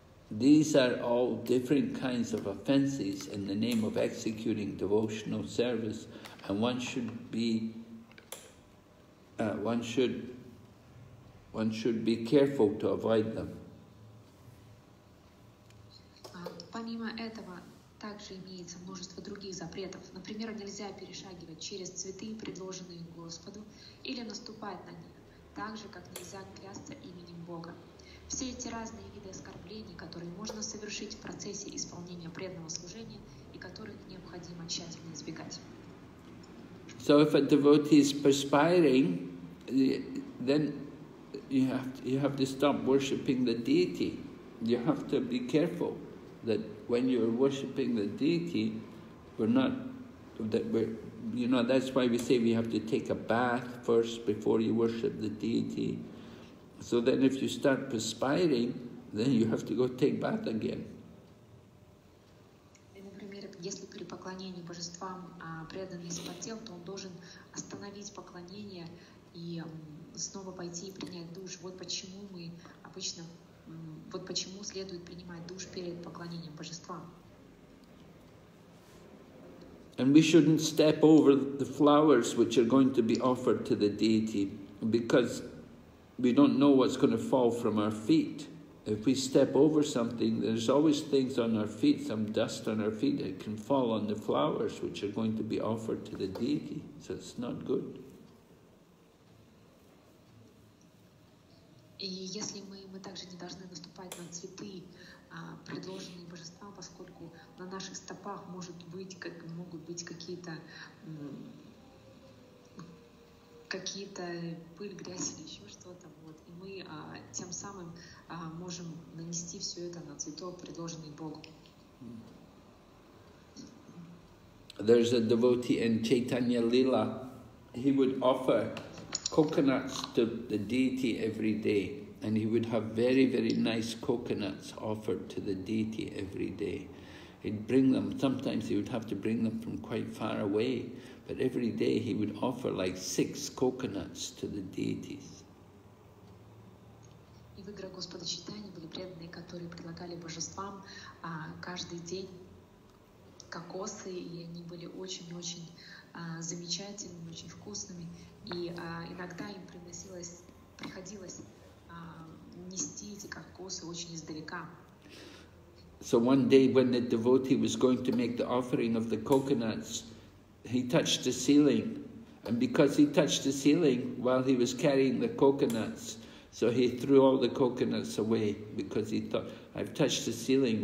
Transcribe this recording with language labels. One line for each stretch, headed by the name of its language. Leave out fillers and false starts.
English: These are all different kinds of offenses in the name of executing devotional service, and one should be careful to avoid them.
Russian: Помимо этого, также имеется множество других запретов. Например, нельзя перешагивать через цветы, предложенные Господу, или наступать на них, так же, как нельзя клясться именем Бога. Все эти разные виды оскорблений, которые можно совершить в процессе исполнения преданного служения и которых необходимо тщательно избегать.
English: So if a devotee is perspiring, then you have to stop worshipping the deity. You have to be careful that when you're worshipping the deity, that's why we say we have to take a bath first before you worship the deity. So then if you start perspiring, then you have to go take bath again.
Russian: Например, если при поклонении божествам преданный вспотел, то он должен остановить поклонение и снова пойти и принять душ. Вот почему следует принимать душ перед поклонением божествам.
English: And we shouldn't step over the flowers which are going to be offered to the deity, because we don't know what's going to fall from our feet. If we step over something, there's always things on our feet, some dust on our feet, that can fall on the flowers which are going to be offered to the deity. So it's not good.
Russian: И если мы также не должны наступать на цветы, предложенные божествам, поскольку на наших стопах могут быть какие-то пыль, грязь или еще что-то. Вот. И мы тем самым можем нанести все это на цветок, предложенный Богу.
English: There's a devotee in Chaitanya Lila. He would offer coconuts to the deity every day. and he would have very, very nice coconuts offered to the deity every day. He'd bring them, sometimes he would have to bring them from quite far away, but every day he would offer like 6 coconuts to the deities.
Russian: И в играх Господа Читания были преданные, которые предлагали божествам каждый день кокосы, и они были очень-очень замечательными, очень вкусными. И иногда им приходилось нести эти кокосы очень издалека.
English: So one day when the devotee was going to make the offering of the coconuts, he touched the ceiling. And because he touched the ceiling while he was carrying the coconuts, so he threw all the coconuts away because he thought, I've touched the ceiling.